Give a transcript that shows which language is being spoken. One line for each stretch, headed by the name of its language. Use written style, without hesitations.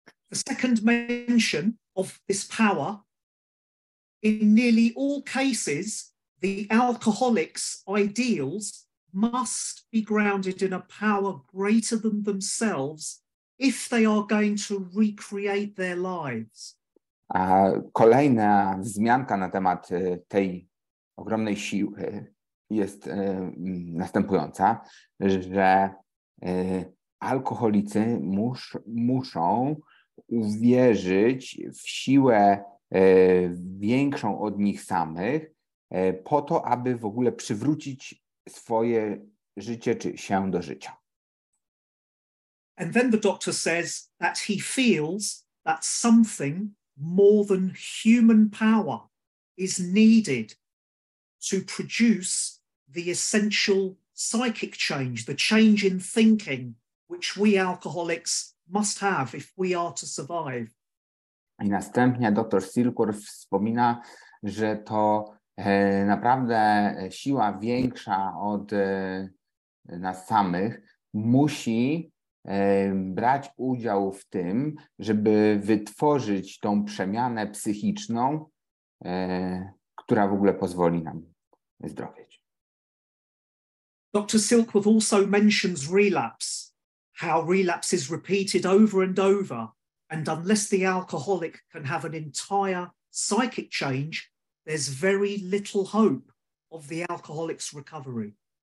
English: The second mention of this power, in nearly all cases, the alcoholic's ideals must be grounded in a power greater than themselves if they are going to recreate their lives.
Polish: A kolejna wzmianka na temat tej ogromnej siły jest następująca, że alkoholicy muszą uwierzyć w siłę większą od nich samych po to, aby w ogóle przywrócić swoje życie czy się do życia.
English: And then the doctor says that he feels that something more than human power is needed to produce the essential psychic change, the change in thinking which we alcoholics must have if we are to survive.
Polish: I następnie dr Silkworth wspomina, że to naprawdę siła większa od nas samych musi brać udział w tym, żeby wytworzyć tą przemianę psychiczną, która w ogóle pozwoli nam zdrowieć.
English: Dr. Silkworth also mentions relapse, how relapse is repeated over and over, and unless the alcoholic can have an entire psychic change, there's very little hope of the alcoholic's recovery.